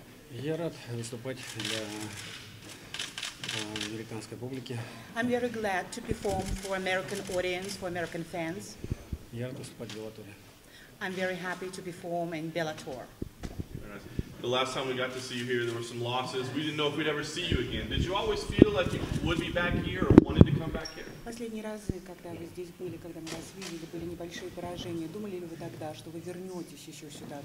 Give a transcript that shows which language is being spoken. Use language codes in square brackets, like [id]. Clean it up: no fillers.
[ru] Я рад выступать для американской публики. [en] I'm very glad to perform for American audience, for American fans. [ru] Я рад выступать в Беллаторе. [en] I'm very happy to perform in Bellator. The last time we got to see you here, there were some losses. We didn't know if we'd ever see you again. Did you always feel like you would be back here or wanted to come back here? [ru] Последние разы, когда вы здесь были, когда мы вас видели, были небольшие поражения. Думали ли вы тогда, что вы вернетесь еще сюда?